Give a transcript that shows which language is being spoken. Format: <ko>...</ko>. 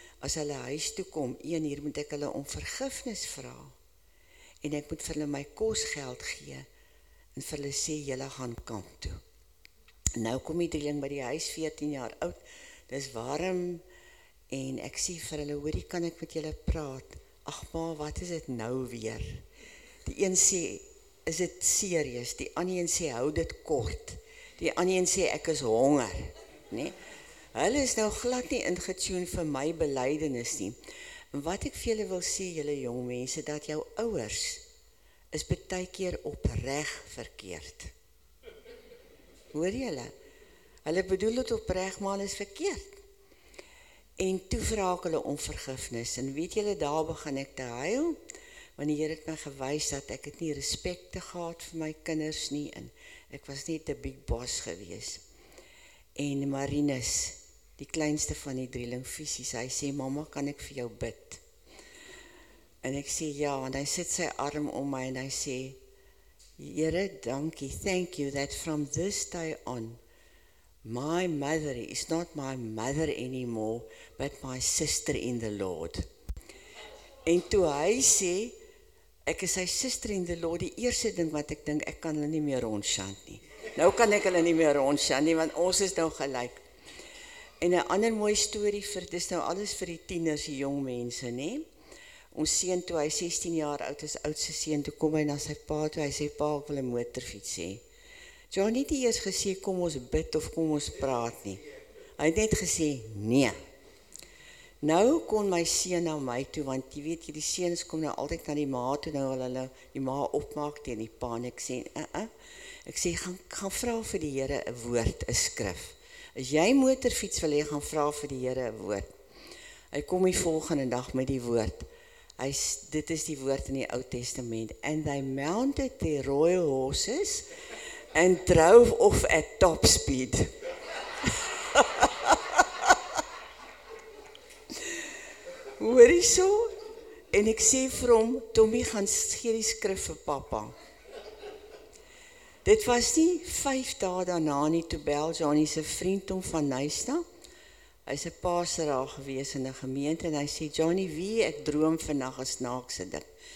<af>As hulle huis toe kom, een hier moet ek hulle om vergifnis vra. En ek moet vir hulle my kosgeld gee. En vir hulle sê julle gaan kamp toe. En nou kom die drieling by die huis 14 jaar oud. Dis warm. En ek sê vir hulle, hoorie, kan ek met julle praat? Ag ma, wat is dit nou weer? Die een sê, is dit serieus? Die ander een sê, hou dit kort. Die ander een sê, ek is honger. Nee? Hulle is nou glad nie ingetune vir my belydenis nie. Wat ek vir julle wil sê, julle jong mense, dat jou ouers is baie keer opreg verkeerd. Hoor julle? Hulle bedoel het opreg, maar hulle is verkeerd. En toe vraag hulle om vergifnis. En weet julle, daar begin ek te huil, want die Heer het my gewys dat ek het nie respekte gehad vir my kinders nie, en ek was net 'n</af> <en>big boss</en> <af>gewees. En Marinus, die kleinste van die drieling fisies, hy sê, mama, kan ek vir jou bid? En ek sê, ja, en hy sit sy arm om my, en hy sê, Heer, dankie,</af> <en>thank you, that from this day on, my mother is not my mother anymore, but my sister in the Lord.</en> <af>En toe hy sê, ek is sy</af> <en>sister in the Lord,</en> <af>die eerste ding wat ek dink, ek kan hulle nie meer rondshand nie. Nou kan ek hulle nie meer rondshand nie, want ons is nou gelijk. En 'n ander mooie story, dit is nou alles vir die tieners, die jong mense, nee? Ons seun, toe hy 16 jaar oud is, oudste seun, toe kom hy na sy pa, toe hy sê, pa, ek wil 'n motorfiets hê. Jy het nie die eers gesê, kom ons bid of kom ons praat nie. Hy het net gesê, nee. Nou kon my seun na my toe, want jy weet, die seuns kom nou altyd na die ma toe, nou hulle die ma opmaak teen die pa, en ek sê, Ek sê, gaan vra vir die Here 'n woord, 'n skrif. As jy motorfiets wil hê, gaan vra vir die Here 'n woord. Hy kom die volgende dag met die woord. Dit is die woord in die Ou Testament.</af> <en>And they mounted their royal horses and drove off at top speed.</en> <af>hoor hy so, en ek sê vir hom, Tommy, gaan gee die skrif vir papa. Dit was nie 5 dae daarna nie, toe bel Johnny sy vriend om van Nysna. Hy is 'n pastor daar gewees in die gemeente, en hy sê, Johnny, wie ek droom vannacht is naakse dit.</af>